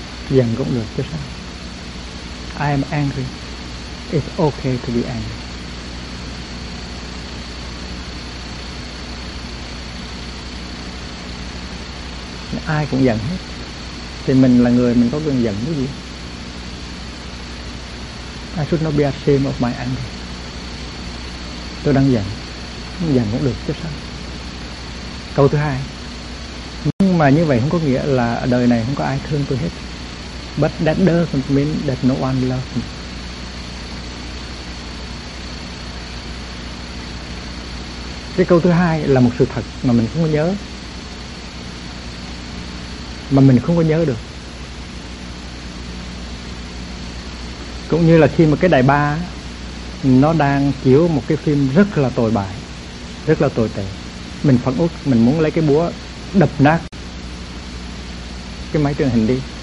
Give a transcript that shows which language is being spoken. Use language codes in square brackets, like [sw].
[vi] Giận cũng được chứ sao. [en] I am angry. It's okay to be angry. [vi] Ai cũng giận hết. Thì mình là người, mình có cần giận cái gì? [en] I should not be ashamed of my anger. [vi] Tôi đang giận. Giận cũng được chứ sao. Câu thứ hai: nhưng mà như vậy không có nghĩa là ở đời này không có ai thương tôi hết. [en] But that doesn't mean that no one loves me. [vi] Cái câu thứ hai là một sự thật mà mình không có nhớ. Mà mình không có nhớ được. Cũng như là khi mà cái đài ba nó đang chiếu một cái phim rất là tồi bại, rất là tồi tệ, mình phẫn uất, mình muốn lấy cái búa đập nát cái máy truyền hình đi.